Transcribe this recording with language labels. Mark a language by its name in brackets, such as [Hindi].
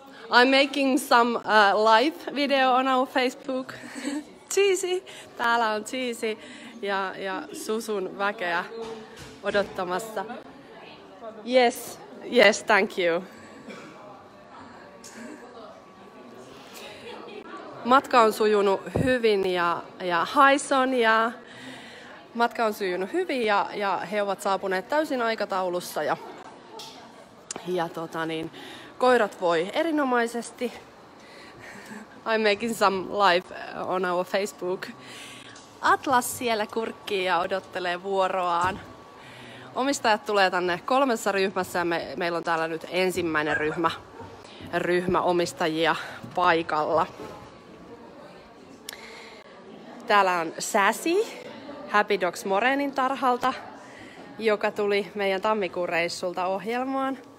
[English] I'm making some live video on our Facebook. Cheesy. [Finnish] Täällä on Cheesy ja Susun väkeä odottamassa. [English] Yes. Yes, thank you. [Finnish] Matka on sujunut hyvin ja hi Sonja. Matka on sujunut hyvin ja he ovat saapuneet täysin aikataulussa ja tota niin, koirat voi erinomaisesti. [English] I'm making some live on our Facebook. [Finnish] Atlas siellä kurkkii ja odottelee vuoroaan. Omistajat tulee tänne 3 ryhmässä ja meillä on täällä nyt ensimmäinen ryhmä omistajia paikalla. Täällä on Sassy, Happy Dogs Morenin tarhalta, joka tuli meidän tammikuun reissulta ohjelmaan.